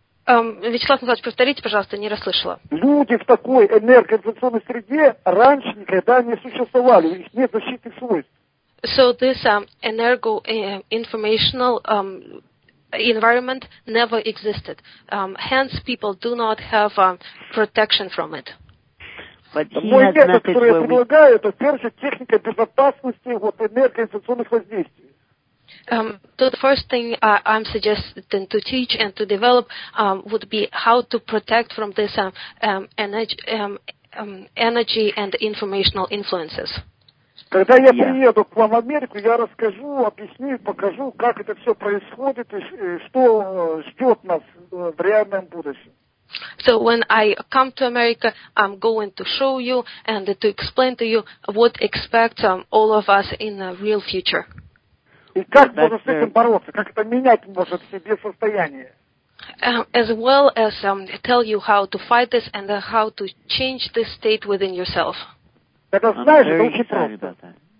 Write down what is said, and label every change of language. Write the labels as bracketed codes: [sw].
[ru] Вячеслав Николаевич, повторите, пожалуйста, не расслышала. Люди в такой энергоинформационной среде раньше никогда не существовали, у них нет защитных свойств. [en] So this energo informational environment never existed. Hence, people do not have protection from it. [ru] Мой метод, который я предлагаю, это в первую очередь техника безопасности вот, энергоинсталляционных воздействий. [en] So the first thing I'm suggesting to teach and to develop would be how to protect from this energy and informational influences. [ru] Когда я приеду к вам в Америку, я расскажу, объясню, покажу, как это все происходит и что ждет нас в реальном будущем. [en] So when I come to America, I'm going to show you and to explain to you what expects all of us in the real future. [ru] И как можно с этим бороться? Как это менять может себе состояние? [en] As well as tell you how to fight this and how to change this state within yourself. [ru] Это знаешь, это очень просто.